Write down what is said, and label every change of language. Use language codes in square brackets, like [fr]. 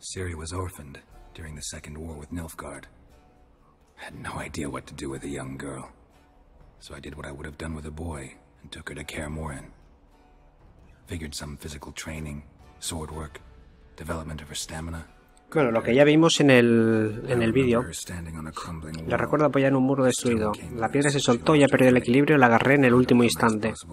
[es] Ciri fue orfanada durante la Segunda Guerra con Nilfgaard. No tenía idea de qué hacer con una joven. Así que hice lo que hubiera hecho con un niño y la llevé a cuidar de Caer Morhen. [en] Figured some physical training, sword work, development of her stamina. [es] Bueno, lo que ya vimos en el vídeo. La recuerdo apoyada en un muro destruido. La piedra se soltó y ya perdió el equilibrio y la agarré en el último instante.